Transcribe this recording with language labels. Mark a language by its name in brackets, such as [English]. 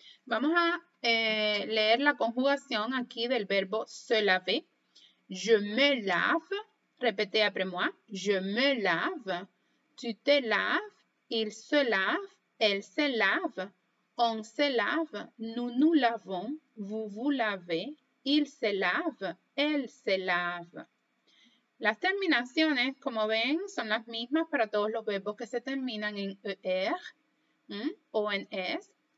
[Spanish] Vamos a leer la conjugación aquí del verbo se laver. [French] Je me lave. Répétez après moi. Je me lave. Tu te laves, il se lave, elle se lave, on se lave, nous nous lavons, vous vous lavez, il se lave, elle se lave. [Spanish] Las terminaciones, como ven, son las mismas para todos los verbos que se terminan en er, o en es.